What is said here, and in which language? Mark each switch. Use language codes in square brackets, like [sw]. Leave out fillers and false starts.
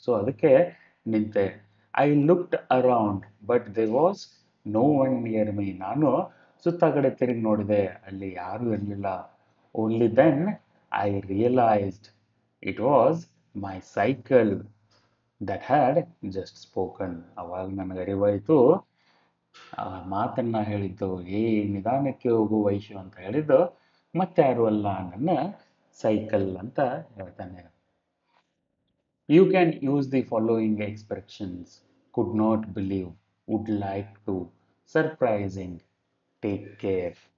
[kn] So ಅದಕ್ಕೆ ನಿಂತೆ. [en] I looked around but there was no one near me, [kn] ನಾನು ಸುತ್ತ ಕಡೆ ತಿರುಗಿ ನೋಡಿದೆ, ಅಲ್ಲಿ ಯಾರೂ ಇರಲಿಲ್ಲ. [en] Only then I realized it was my cycle that had just spoken. [kn] ಅವಾಗ ನನಗೆ ಅರಿವಾಯಿತು, ಆ ಮಾತನ್ನು ಹೇಳಿದ್ದು, ಏ ನಿಧಾನಕ್ಕೆ ಹೋಗು ವೈಶು ಅಂತ ಹೇಳಿದ್ದು ಮತ್ತೆ ಯಾರು ಅಲ್ಲ, ನನ್ನ ಸೈಕಲ್ ಅಂತ ಹೇಳ್ತಾನೆ. [en] You can use the following expressions: could not believe, would like to, surprising, take care.